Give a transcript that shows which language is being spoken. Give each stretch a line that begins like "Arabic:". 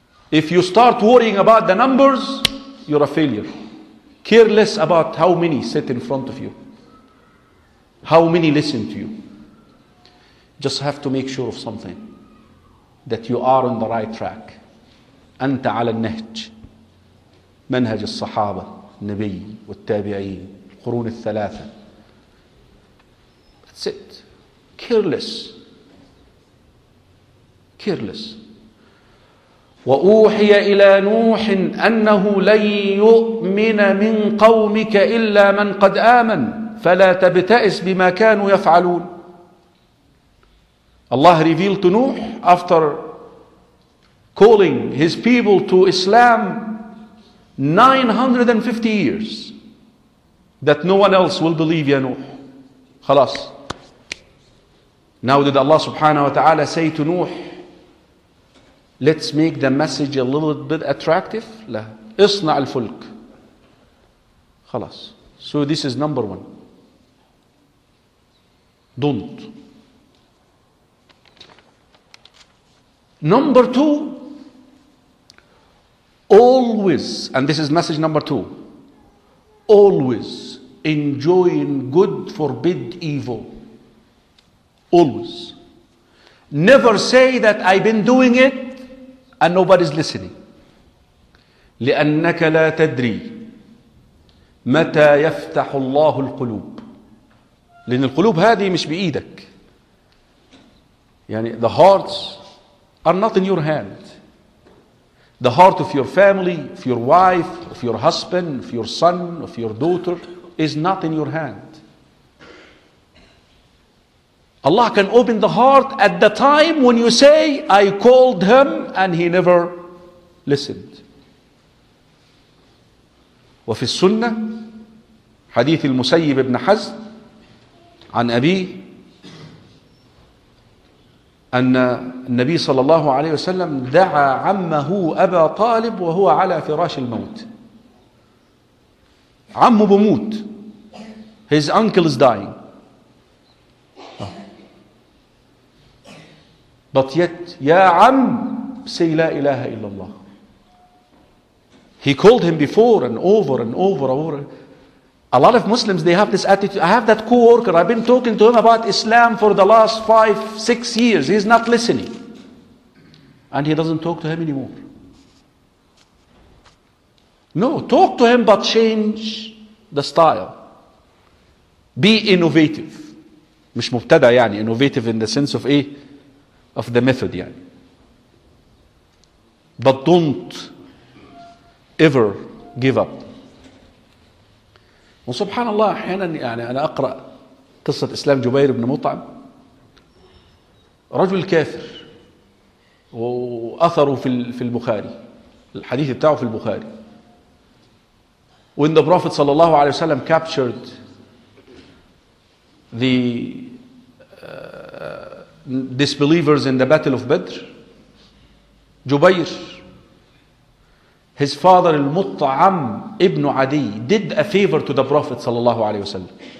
English: If you start worrying about the numbers, you're a failure. Care less about how many sit in front of you, how many listen to you. Just have to make sure of something, that you are on the right track.
Arabic: أنت على النهج, منهج الصحابة, النبي والتابعين, القرون الثلاثة.
English: That's it. Careless. Careless.
Arabic: وأوحي إلى نوح أنه لن يؤمن من قومك إلا من قد آمن فلا تبتئس بما كانوا يفعلون.
English: الله revealed to Nuh after calling his people to Islam 950 years that no one else will believe, ya Nuh.
Arabic: خلاص.
English: Now did Allah subhanahu wa ta'ala say to Nuh, let's make the message a little bit attractive?
Arabic: لا. اصنع الفلك. خلاص.
English: So this is number one. Don't. Number two. Always. And this is message number two. Always enjoying good forbid evil. Always. Never say that I've been doing it and nobody's listening.
Arabic: لأنك لا تدري متى يفتح الله القلوب. لأن القلوب هذه مش بإيدك.
English: يعني the hearts are not in your hand. The heart of your family, of your wife, of your husband, of your son, of your daughter is not in your hand. Allah can open the heart at the time when you say, I called him and he never listened.
Arabic: وفي السنة حديث المسيب بن حزم عن أبيه أن النبي صلى الله عليه وسلم دعا عمه أبا طالب وهو على فراش الموت. عمه بموت.
English: His uncle is dying. But yet,
Arabic: يا عم,
English: say
Arabic: لا إله إلا الله.
English: He called him before and over and over and over. A lot of Muslims, they have this attitude. I have that co-worker. I've been talking to him about Islam for the last 5-6 years. He's not listening. And he doesn't talk to him anymore. No, talk to him, but change the style. Be innovative.
Arabic: مش مبتدع يعني.
English: Innovative in the sense of
Arabic: إيه؟
English: Of the method يعني. But don't ever give up.
Arabic: وسبحان الله احيانا يعني انا اقرا قصه اسلام جبير بن مطعم. رجل كافر واثره في البخاري, الحديث بتاعه في البخاري.
English: When the prophet
Arabic: صلى الله عليه وسلم
English: captured the disbelievers in the battle of Badr, جبير, his father al-Mut'am ibn Adi did a favor to the Prophet sallallahu alayhi wa sallam.